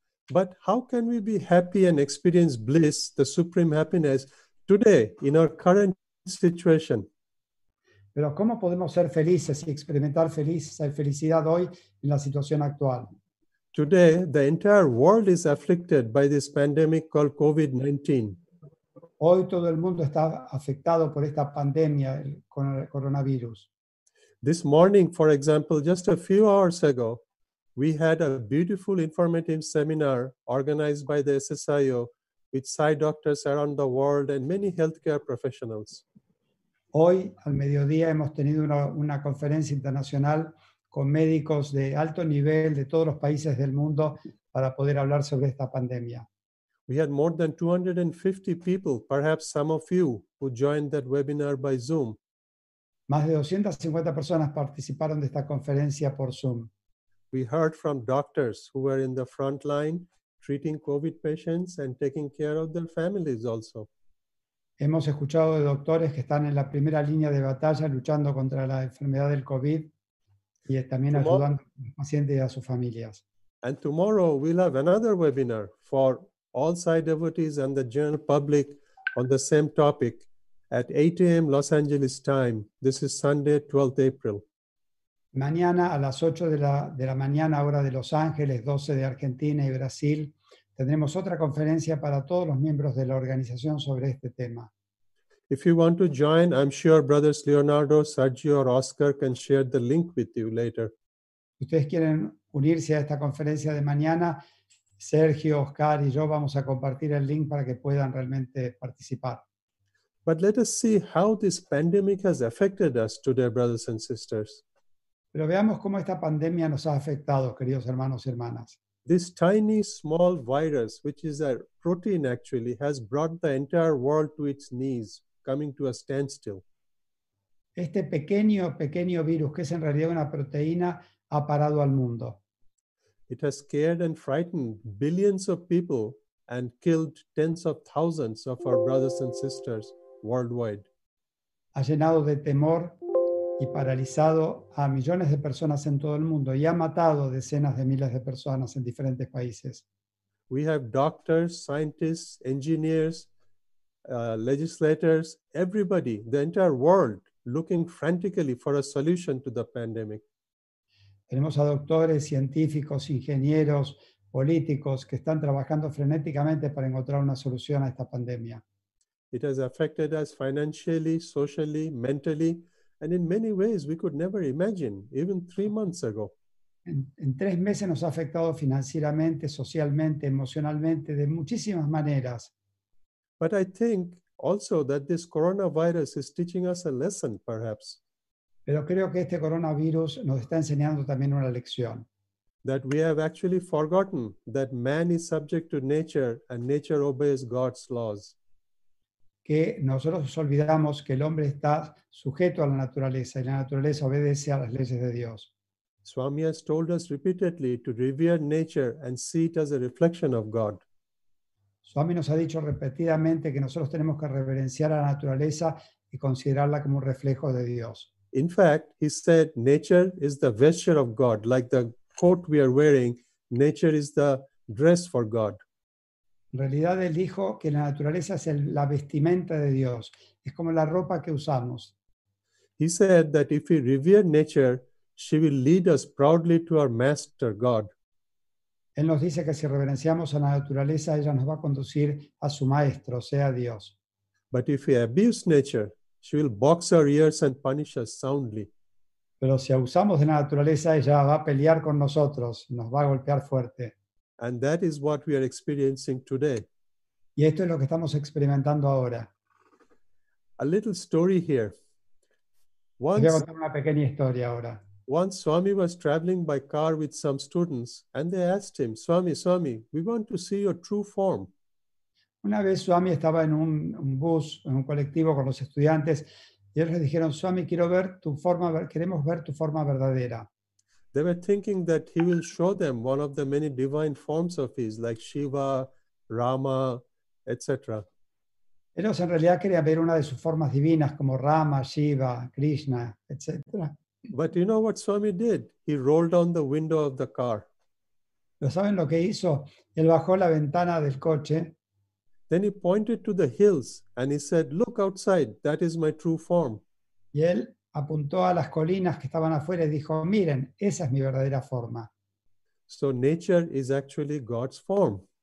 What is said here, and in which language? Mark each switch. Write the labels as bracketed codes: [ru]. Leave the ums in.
[en] But how can we be happy and experience bliss, the supreme happiness, today in our current situation? [es] Pero ¿cómo podemos ser felices y experimentar feliz, ser felicidad hoy en la situación actual? [en] Today, the entire world is afflicted by this pandemic called COVID 19. [es] Hoy todo el mundo está afectado por esta pandemia, el cono- coronavirus. [en] This morning, for example, just a few hours ago, we had a beautiful informative seminar organized by the SSIO with Sai doctors around the world and many healthcare professionals. [es] Hoy al mediodía hemos tenido una, una conferencia internacional con médicos de alto nivel de todos los países del mundo para poder hablar sobre esta pandemia. [en] We had more than 250 people, perhaps some of you, who joined that webinar by Zoom. [es] Más de 250 personas participaron de esta conferencia por Zoom. [en] we heard from doctors who were in the front line treating COVID patients and taking care of their families also. [es] Hemos escuchado de doctores que están en la primera línea de batalla luchando contra la enfermedad del COVID y también ¿Cómo? ayudando a los pacientes y a sus familias. [en] And tomorrow we'll have another webinar for all Sai devotees and the general public on the same topic at 8 a.m. Los Angeles time. This is Sunday, 12th April. [es] Mañana a las 8 de la, de la mañana, hora de Los Ángeles, 12 de Argentina y Brasil, tendremos otra conferencia para todos los miembros de la organización sobre este tema. [en] If you want to join, I'm sure brothers Leonardo, Sergio, or Oscar can share the link with you later. [es] Si ustedes quieren unirse a esta conferencia de mañana, Sergio, Oscar y yo vamos a compartir el link para que puedan realmente participar. [en] But let us see how this pandemic has affected us today, brothers and sisters. [es] Pero veamos cómo esta pandemia nos ha afectado, queridos hermanos y hermanas. [en] this tiny small virus which is a protein actually has brought the entire world to its knees coming to a standstill [es] Este pequeño, pequeño virus, que es en realidad una proteína, ha parado al mundo. [en] it has scared and frightened billions of people and killed tens of thousands of our brothers and sisters worldwide [es] ha llenado de temor y paralizado a millones de personas en todo el mundo y ha matado decenas de miles de personas en diferentes países. [en] we have doctors scientists engineers uh, legislators everybody the entire world looking frantically for a solution to the pandemic [es] Tenemos a doctores, científicos, ingenieros, políticos que están trabajando frenéticamente para encontrar una solución a esta pandemia. [en] It has affected us financially, socially, mentally, and in many ways we could never imagine even three months ago. [es] En, en tres meses nos ha afectado financieramente, socialmente, emocionalmente, de muchísimas maneras. [en] But I think also that this coronavirus is teaching us a lesson, perhaps, [es] Pero creo que este coronavirus nos está enseñando también una lección. [en] that we have actually forgotten that man is subject to nature and nature obeys God's laws. [es] que nosotros nos olvidamos que el hombre está sujeto a la naturaleza y la naturaleza obedece a las leyes de Dios. [en] Swami has told us repeatedly to revere nature and see it as a reflection of God. [es] Swami nos ha dicho repetidamente que nosotros tenemos que reverenciar a la naturaleza y considerarla como un reflejo de Dios. [en] In fact, he said nature is the vesture of God, like the coat we are wearing, nature is the dress for God. [es] En realidad él dijo que la naturaleza es el- la vestimenta de Dios, es como la ropa que usamos. [en] He said that if we revere nature, she will lead us proudly to our master God. [es] Él nos dice que si reverenciamos a la naturaleza, ella nos va a conducir a su maestro, o sea, Dios. [en] But if we abuse nature, she will box our ears and punish us soundly. [es] Pero si abusamos de la naturaleza, ella va a pelear con nosotros, nos va a golpear fuerte. [en] And that is what we are experiencing today. [es] Y esto es lo que estamos experimentando ahora. [en] A little story here. [es] Les voy a [en] Once, [es] contar una pequeña historia ahora. [en] once Swami was traveling by car with some students, and they asked him, Swami, Swami, we want to see your true form. [es] Una vez Swami estaba en un, un bus, en un colectivo con los estudiantes, y ellos le dijeron, Swami, quiero ver tu forma, ver- queremos ver tu forma verdadera. [en] They were thinking that he will show them one of the many divine forms of his, like Shiva, Rama, etc. [es] Ellos en realidad querían ver una de sus formas divinas, como Rama, Shiva, Krishna, etc. [en] But you know what Swami did? He rolled down the window of the car. [es] ¿Lo saben lo que hizo? Él bajó la ventana del coche [en] Then he pointed to the hills and he said, Look outside, that is my true form. [es] y él apuntó a las colinas que estaban afuera y dijo, miren, esa es mi verdadera forma. [en] So nature is actually God's form.